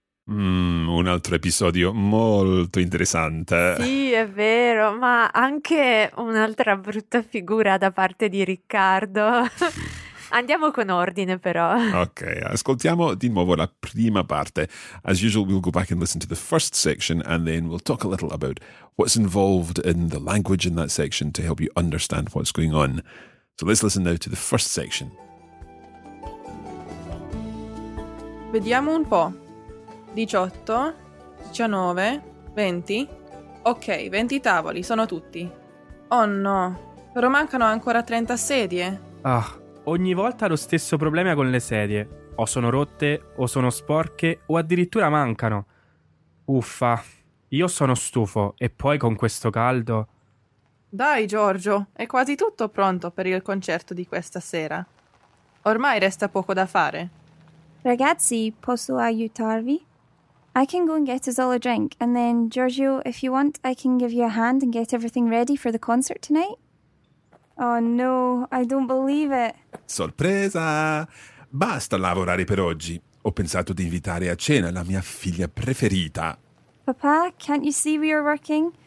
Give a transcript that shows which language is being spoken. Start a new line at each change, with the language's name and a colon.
Italian: Un altro episodio molto interessante. Sì, è vero, ma anche un'altra brutta figura da parte di Riccardo. Andiamo con ordine, però. Ok, ascoltiamo di nuovo la prima parte.
English: As usual, we'll go back and listen to the first section and then we'll talk a little about what's involved in the language in that section to help you understand what's going on. So let's listen now to the first section.
Italian: Vediamo un po'. 18, 19, 20. Ok, 20 tavoli, sono tutti. Oh no, però mancano ancora 30 sedie. Ah, ogni volta lo stesso problema con le sedie. O sono rotte, o sono sporche, o addirittura mancano. Uffa, io sono stufo, e poi con questo caldo... Dai, Giorgio, è quasi tutto pronto per il concerto di questa sera. Ormai resta poco da fare. Ragazzi, posso aiutarvi?
English: I can go and get us all a drink, and then, Giorgio, if you want, I can give you a hand and get everything ready for the concert tonight. Oh no, I don't believe it.
Italian: Sorpresa! Basta lavorare per oggi. Ho pensato di invitare a cena la mia figlia preferita.
English: Papà, can't you see we are working?